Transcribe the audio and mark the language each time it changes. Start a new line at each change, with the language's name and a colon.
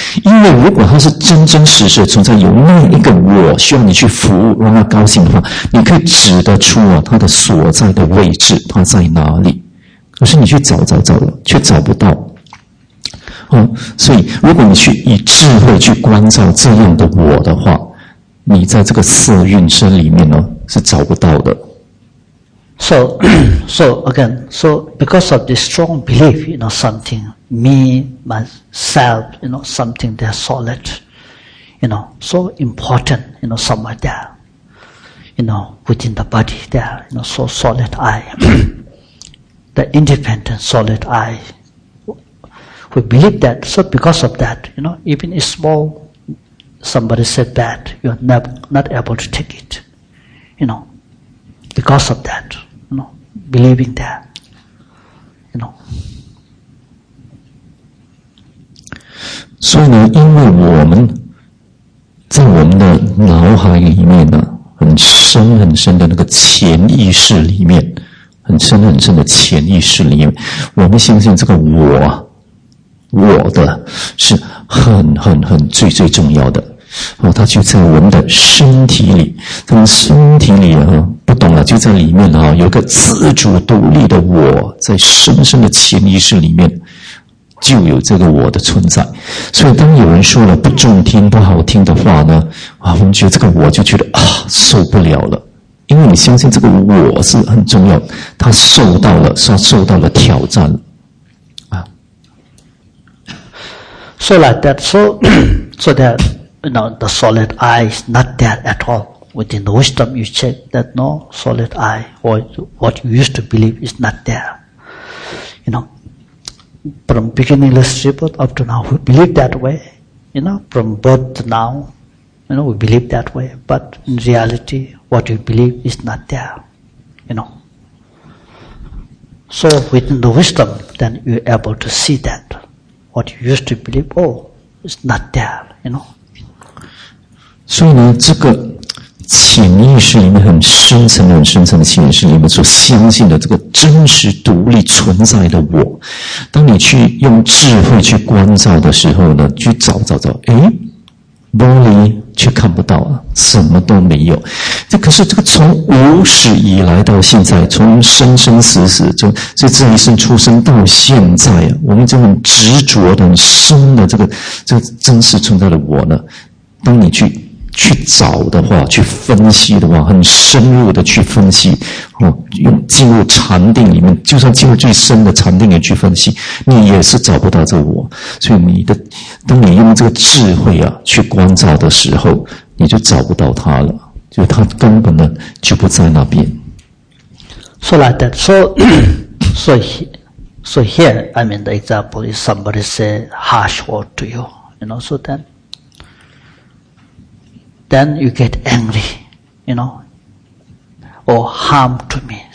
Chinese: 因为如果它是真真实实的存在，有那一个我需要你去服务，让它高兴的话，你可以指得出啊，它的所在的位置，它在哪里。可是你去找找找了，却找不到。所以如果你去以智慧去观照这样的我的话，你在这个色蕴身里面呢是找不到的。
English: So because of this strong belief, you know, something, me, myself, you know, something that's solid, you know, so important, you know, somewhere there, you know, within the body there, you know, so solid I. The independent solid I, we believe that. So because of that, you know, even if small, somebody said that, you're not able to take it, you know, because of that, you know, believing that, you know.
Chinese: 所以呢，因为我们在我们的脑海里面呢，很深很深的那个潜意识里面。很深很深的潜意识里面，我们相信这个我的是很很很最最重要的，它就在我们的身体里，我们身体里不懂了，就在里面有个自主独立的我，在深深的潜意识里面就有这个我的存在。所以当有人说了不中听不好听的话呢，我们觉得这个我就觉得受不了了，因为你相信这个我是很重要，他受到了，算受到了挑战啊。
English: So like that, so that, you know, the solid I is not there at all. Within the wisdom, you check that no solid I, or what you used to believe is not there. You know, from beginningless rebirth up to now, we believe that way. You know, from birth to now, you know, we believe that way. But in reality, what you believe is not there, you know. So within the wisdom, then you're able to see that what you used to believe, oh, is not there, you know.
Chinese: 所以呢，这个潜意识里面很深层、很深层的潜意识里面所相信的这个真实独立存在的我，当你去用智慧去观照的时候呢，去找找找，诶，玻璃却看不到啊，什么都没有。这可是这个从无始以来到现在，从生生死死，就这一生出生到现在啊，我们这种执着的、很深的这个真实存在的我呢，当你去去找的话，去分析的话，很深入的去分析，用进入禅定里面，就算进入最深的禅定也去分析，你也是找不到这我。所以你的，当你用这个智慧啊去观照的时候，你就找不到他了，就他根本呢就不在那边。
English: So like that. So here, I mean the example is somebody say harsh word to you, you know. So then. Then you get angry, you know, or harm to me.